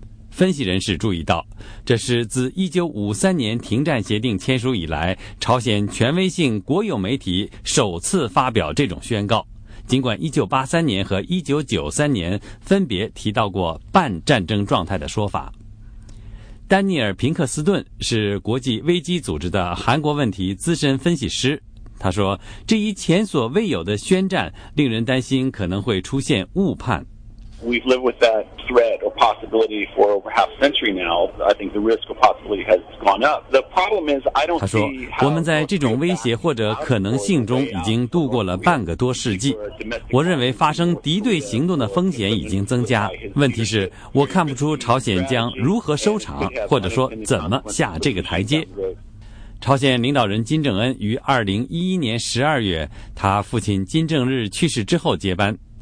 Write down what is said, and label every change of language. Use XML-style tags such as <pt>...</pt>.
<zh>分析人士注意到，这是自1953年停战协定签署以来，朝鲜权威性国有媒体首次发表这种宣告，尽管1983年和1993年分别提到过半战争状态的说法。丹尼尔·平克斯顿是国际危机组织的韩国问题资深分析师，他说，这一前所未有的宣战令人担心可能会出现误判。</zh> <en>We've lived with that threat or possibility for over half a century now. I think the risk or possibility has gone up. The problem is, I don't see.</en> <zh>我们在这种威胁或者可能性中已经度过了半个多世纪。我认为发生敌对行动的风险已经增加。问题是，我看不出朝鲜将如何收场，或者说怎么下这个台阶。朝鲜领导人金正恩于2011年12月，他父亲金正日去世之后接班。</zh>